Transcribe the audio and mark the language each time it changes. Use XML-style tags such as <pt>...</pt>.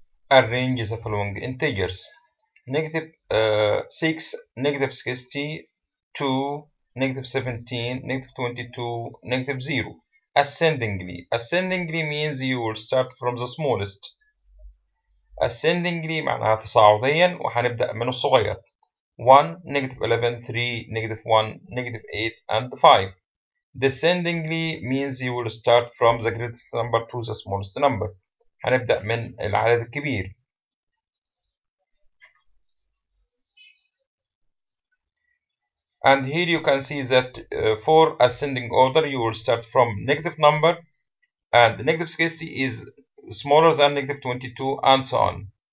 <en>Arrange the following integers. Negative 6, negative 60, 2, negative 17, negative 22, negative 0. Ascendingly. Ascendingly means you will start from the smallest.</en> <ar>Ascendingly معناها تصاعديا وحنبدأ من الصغير.</ar> <en>1, negative 11, 3, negative 1, negative 8, and 5. Descendingly means you will start from the greatest number to the smallest number.</en> <ar>هنبدأ من العدد الكبير.</ar> <en>And here you can see that for ascending order you will start from negative number and negative 60 is smaller than negative 22 and so on.</en>